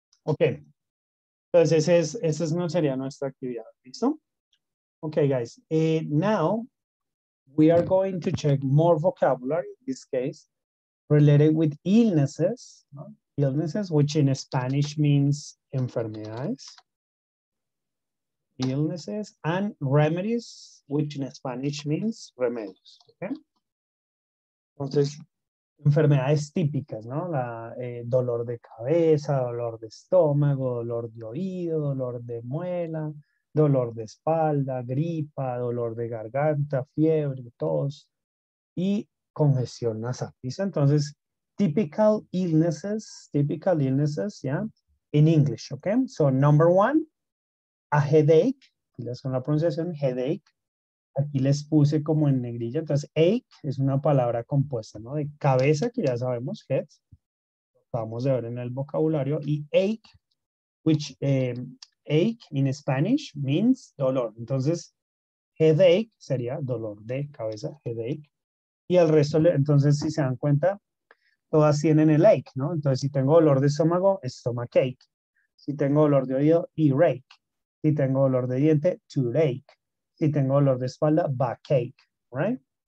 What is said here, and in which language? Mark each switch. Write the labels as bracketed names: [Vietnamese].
[Spanish] Ok, entonces esa no sería nuestra actividad, ¿listo? [English] Ok, guys, now we are going to check more vocabulary, in this case, related with illnesses, ¿no? Illnesses, which in Spanish means enfermedades. Illnesses and remedies, which in Spanish means remedios, ¿ok? [Spanish] Entonces, enfermedades típicas, ¿no? La, dolor de cabeza, dolor de estómago, dolor de oído, dolor de muela, dolor de espalda, gripa, dolor de garganta, fiebre, tos y congestión nasal. [English] ¿Listo? Entonces, typical illnesses, ¿ya? In English, ¿ok? So, number one, a headache. [Spanish] Aquí les con la pronunciación, [English] headache. [Spanish] Aquí les puse como en negrilla. Entonces, ache es una palabra compuesta, ¿no? De cabeza, que ya sabemos, head. Lo acabamos de ver en el vocabulario. [English] Y ache, which, ache in Spanish means dolor. [Spanish] Entonces, headache sería dolor de cabeza, headache. Y el resto, entonces, si se dan cuenta, todas tienen el ache, ¿no? Entonces, si tengo dolor de estómago, stomachache. Si tengo dolor de oído, earache. Si tengo dolor de diente, toothache. Si tengo dolor de espalda, backache, right?